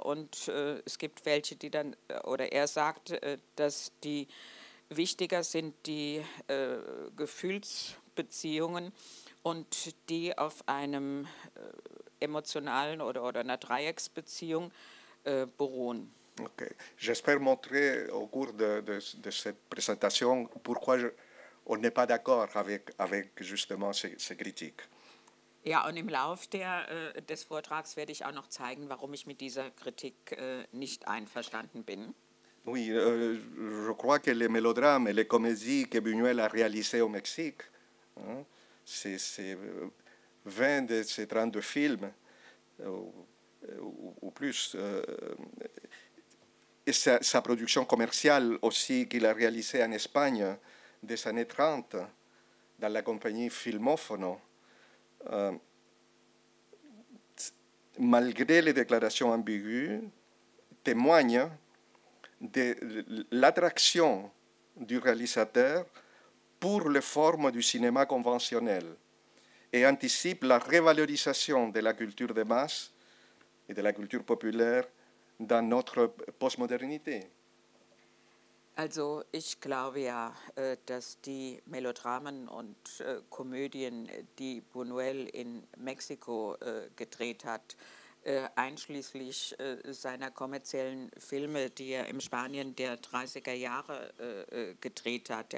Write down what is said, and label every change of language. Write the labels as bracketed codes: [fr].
[de] Und es gibt welche, die dann, oder er sagt, dass die wichtiger sind die Gefühlsbeziehungen und die auf einem emotionalen oder einer Dreiecksbeziehung beruhen. Okay. [fr] J'espère montrer au cours de cette présentation pourquoi je... On n'est pas d'accord avec justement ces critiques. [de] Ja, und im Lauf des Vortrags werde ich auch noch zeigen, warum ich mit dieser Kritik nicht einverstanden bin. [fr] Oui, je crois que les mélodrames et les comédies que Buñuel a réalisé au Mexique, hein, c'est 20 de ces 32 films ou plus. Et sa production commerciale aussi qu'il a réalisée en Espagne des années 30, dans la compagnie Filmofono, malgré les déclarations ambiguës, témoigne de l'attraction du réalisateur pour les formes du cinéma conventionnel et anticipe la revalorisation de la culture de masse et de la culture populaire dans notre postmodernité. [de] Also ich glaube ja, dass die Melodramen und Komödien, die Buñuel in Mexiko gedreht hat, einschließlich seiner kommerziellen Filme, die er im Spanien der 30er Jahre gedreht hat.